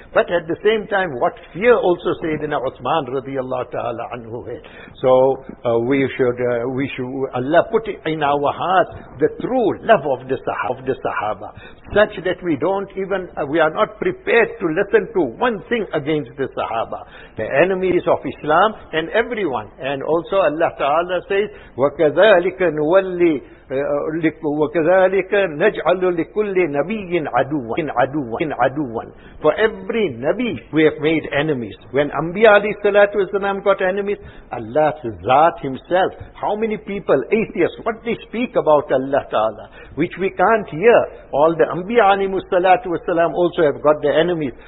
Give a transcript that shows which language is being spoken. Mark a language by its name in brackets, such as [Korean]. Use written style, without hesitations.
[English] But at the same time, what fear also Sayyidina Uthman radiallahu ta'ala anhu had. So we should Allah put in our hearts the true love of the Sahaba, such that we are not prepared to listen to one thing against the Sahaba, the enemies of Islam and everyone. And also Allah Ta'ala says, [Arabic] وَكَذَلِكَ نُوَلِّ وَكَذَلِكَ نَجْعَلُ لِكُلِّ نَبِيٍّ عَدُوًا. [English] For every Nabi we have made enemies. When Anbiya alayhi salatu wasalam got enemies, Allah's Zat himself, how many people, atheists, what they speak about Allah Ta'ala, which we can't hear. All the Anbiya alayhi salatu wasalam also have got the enemies.